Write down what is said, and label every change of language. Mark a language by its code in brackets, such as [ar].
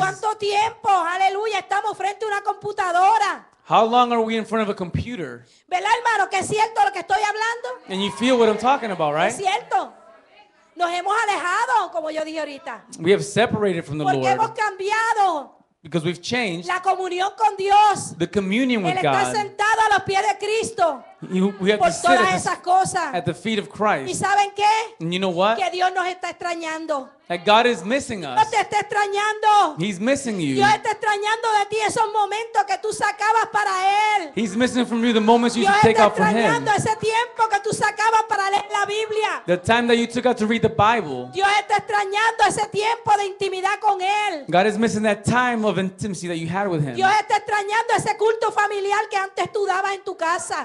[es] ¿Cuánto tiempo, aleluya, estamos frente a una computadora? [en] How long are we in front of a computer? [es] ¿Verdad, hermano, que es cierto lo que estoy hablando? [en] And you feel what I'm talking about, right? [es] Es cierto. Nos hemos alejado, como yo dije ahorita. [en] We have separated from the [es] Porque [en] Lord. [es] Porque hemos cambiado. [en] Because we've changed. [es] La comunión con Dios. [en] The communion with God. [es] Él está sentado a los pies de Cristo. [en] We have [es] por [en] to sit [es] todas esas cosas. [en] At the feet of Christ. [es] ¿Y saben qué? [en] And you know what? [es] Que Dios nos está extrañando. [en] That God is missing us. [es] Dios te está extrañando. [en] He's missing you. [es] Dios está extrañando de ti esos momentos que tú sacabas para Él. [en] He's missing from you the moments you used to take out for Him. [es] Dios está extrañando ese tiempo que tú sacabas para leer la Biblia. [en] The time that you took out to read the Bible. [es] Dios está extrañando ese tiempo de intimidad con Él. [en] God is missing that time of intimacy that you had with Him. [es] Dios está extrañando ese culto familiar que antes tú dabas en tu casa.